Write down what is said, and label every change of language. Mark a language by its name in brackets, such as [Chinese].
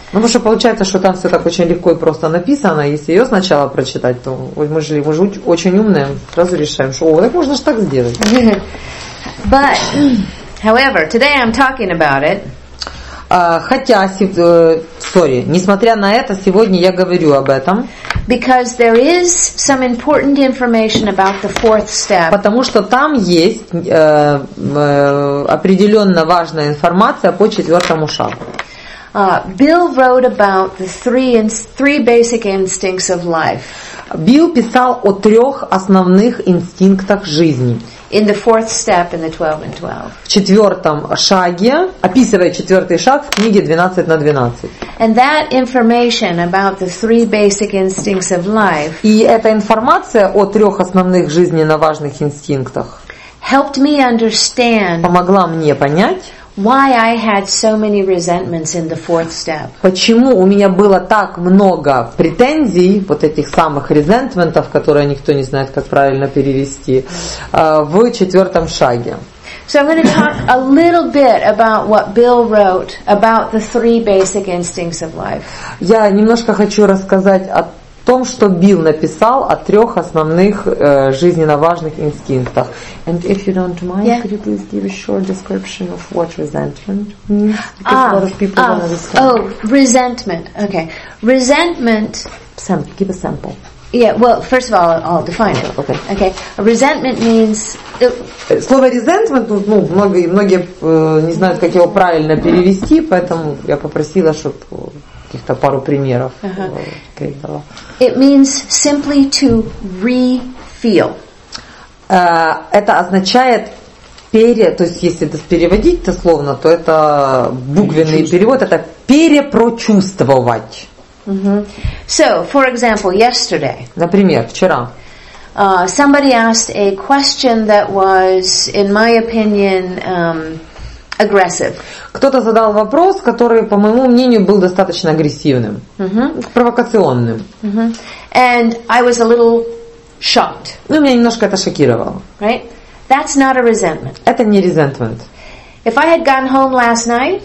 [Russian] Ну, потому что получается, что там все так очень легко и просто написано. Если ее сначала прочитать, то мы же очень умные, сразу решаем, что так можно же так сделать. [English] But... However, today I'm talking about it. [Russian] Несмотря на это, сегодня я говорю об этом. [English] Because there is some important information about the fourth step. [Russian] Потому что там есть определенно важная информация по четвертому шагу. [English] Bill wrote about the three basic instincts of life. [Russian] Билл писал о трех основных инстинктах жизни. [English] In the fourth step in the 12 and 12. [Russian] В четвертом шаге, описывая четвертый шаг в книге 12 на 12. [English] And that information about the three basic instincts of life. [Russian] И эта информация о трех основных жизненно важных инстинктах. [English] Helped me understand. [Russian] Помогла мне понять. [English] Why I had so many resentments in the fourth step? [Russian] Почему у меня было так много претензий, вот этих самых resentments, которые никто не знает, как правильно перевести, в четвертом шаге? [English] So I'm going to talk a little bit about what Bill wrote about the three basic instincts of life. [Russian] Я немножко хочу рассказать о том, что Билл написал о трех основных жизненно важных инстинктах. [English] And if you don't mind, yeah. Could you please give a short description of what resentment means? Because a lot of people want to understand. Oh, resentment. Okay. Resentment. Give a sample. Yeah, well, first of all, I'll define it. Okay. Okay. Resentment means... [Russian] Слово resentment, ну, многие не знают, как его правильно перевести, поэтому я попросила, чтобы... каких-то пару примеров. Uh-huh. [English] It means simply to re-feel. [Russian] Это означает то есть если это переводить дословно, то это буквенный перевод, это перепрочувствовать. [English] Uh-huh. So, for example, yesterday. [Russian] Например, вчера. [English] Somebody asked a question that was, in my opinion, aggressive. [Russian] Кто-то задал вопрос, который, по моему мнению, был достаточно агрессивным, mm-hmm. провокационным. [English] Mm-hmm. And I was a little shocked. [Russian] Ну, меня немножко это шокировало. [English] Right? That's not a resentment. [Russian] Это не resentment. [English] If I had gone home last night,